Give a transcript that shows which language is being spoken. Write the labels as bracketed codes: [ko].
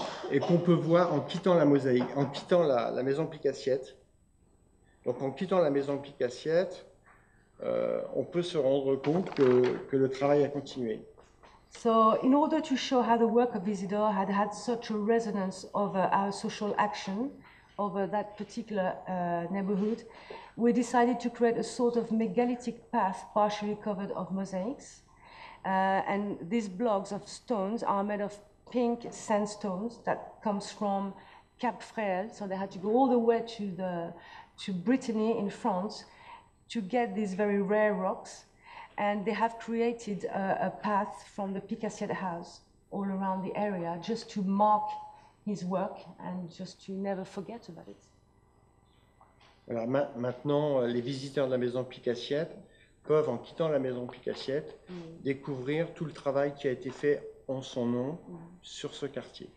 [fr] Et qu'on peut voir en quittant la mosaïque, en quittant la maison Picassiet. Donc en quittant la maison Picassiet, on peut se rendre compte que le travail a continué. [en] So in order to show how the work of Isidore had such a resonance over our social action over that particular neighborhood, we decided to create a sort of megalithic path partially covered of mosaics. And these blocks of stones are made of pink sandstones that comes from Cap Frère, so they had to go all the way to Brittany in France to get these very rare rocks, and they have created a path from the Picassiet House all around the area just to mark his work and just to never forget about it. [fr] Voilà, maintenant, les visiteurs de la maison Picassiette peuvent, en quittant la maison Picassiette, découvrir tout le travail qui a été fait en son nom sur ce quartier.